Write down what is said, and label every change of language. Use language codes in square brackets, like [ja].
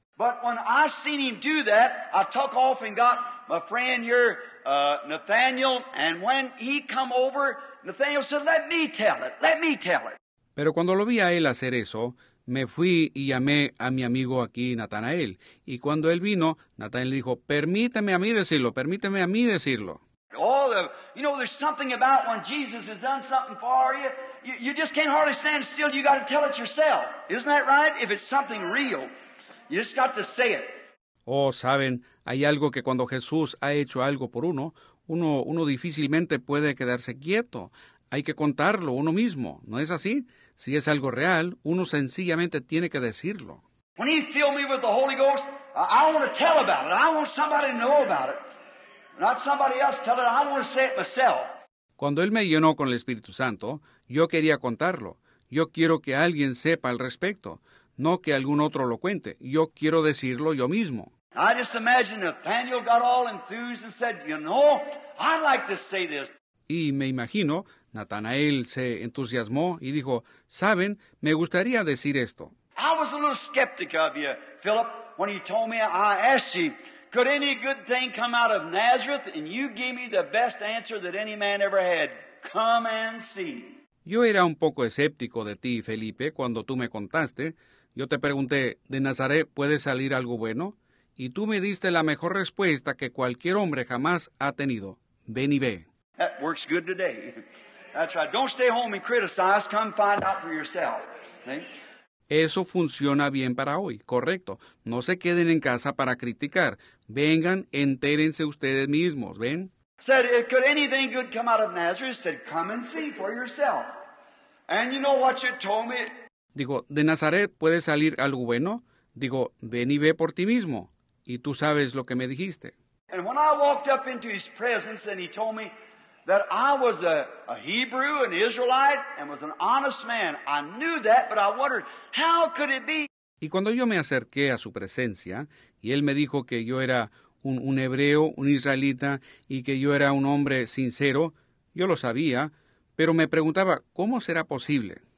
[en] But when I seen him do that, I took off and got my friend here, Nathaniel, and when he come over, Nathaniel said, "Let me tell it, let me tell it." [es] Pero cuando lo vi a él hacer eso, me fui y llamé a mi amigo aquí, Natanael. Y cuando él vino, Natanael dijo, "Permíteme a mí decirlo, permíteme a mí decirlo." [en] Oh, you know, there's something about when Jesus has done something for you, you just can't hardly stand still, you got to tell it yourself. Isn't that right? If it's something real, you just got to say it. [es] Oh, saben, hay algo que cuando Jesús ha hecho algo por uno, uno difícilmente puede quedarse quieto. Hay que contarlo uno mismo, ¿no es así? Si es algo real, uno sencillamente tiene que decirlo. [en] When he filled me with the Holy Ghost, I want to tell about it. I want somebody to know about it. Not somebody else tell it. I want to say it myself. [es] Cuando él me llenó con el Espíritu Santo, yo quería contarlo. Yo quiero que alguien sepa al respecto. No que algún otro lo cuente. Yo quiero decirlo yo mismo. [en] I just imagine Nathaniel got all enthused and said, "You know, I'd like to say this." [es] Y me imagino, Natanael se entusiasmó y dijo, "Saben, me gustaría decir esto." [en] I was a little skeptic of you, Philip, when you told me, I asked you, "Could any good thing come out of Nazareth?" And you gave me the best answer that any man ever had. Come and see. [es] Yo era un poco escéptico de ti, Felipe, cuando tú me contaste. Yo te pregunté, ¿de Nazaret puede salir algo bueno? Y tú me diste la mejor respuesta que cualquier hombre jamás ha tenido. Ven y ve. [en] That works good today. That's right. Don't stay home and criticize. Come find out for yourself. Okay? [es] Eso funciona bien para hoy, correcto. No se queden en casa para criticar. Vengan, entérense ustedes mismos, ¿ven? [en] Said, "Could anything good come out of Nazareth?" Said, "Come and see for yourself." And you know what you told me? [es] Digo, ¿de Nazaret puede salir algo bueno? Digo, ven y ve por ti mismo. Y tú sabes lo que me dijiste. [en] And when I walked up into his presence and he told me that I was a Hebrew, an Israelite, and was an honest man. I knew that, but I wondered, how could it be? [es] Y cuando yo me acerqué a su presencia, y él me dijo que yo era un hebreo, un israelita, y que yo era un hombre sincero, yo lo sabía, pero me preguntaba, ¿cómo será posible?